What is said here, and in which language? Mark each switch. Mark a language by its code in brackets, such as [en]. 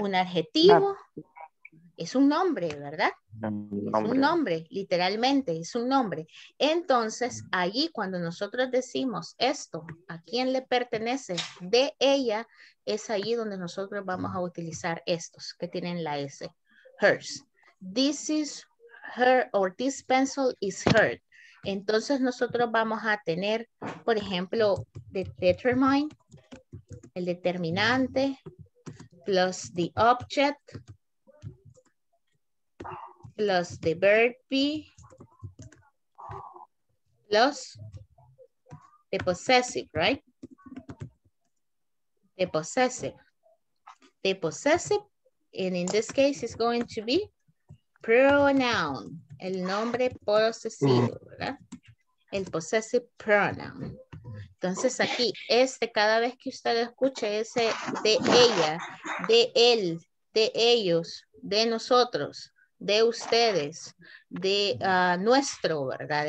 [es] ¿Un adjetivo? Es un nombre, ¿verdad? Nombre. Es un nombre, literalmente, es un nombre. Entonces, allí cuando nosotros decimos esto, ¿a quién le pertenece? De ella, es allí donde nosotros vamos a utilizar estos que tienen la S. [en] Hers. This is her, or this pencil is her. [es] Entonces, nosotros vamos a tener, por ejemplo, [en] the determine, [es] el determinante, [en] plus the object, plus the verb be, plus the possessive, right? The possessive. The possessive, and in this case, is going to be pronoun. [es] El nombre posesivo, ¿verdad? El possessive pronoun. Entonces aquí, este, cada vez que usted escuche ese de ella, de él, de ellos, de nosotros, de ustedes, de nuestro, ¿verdad?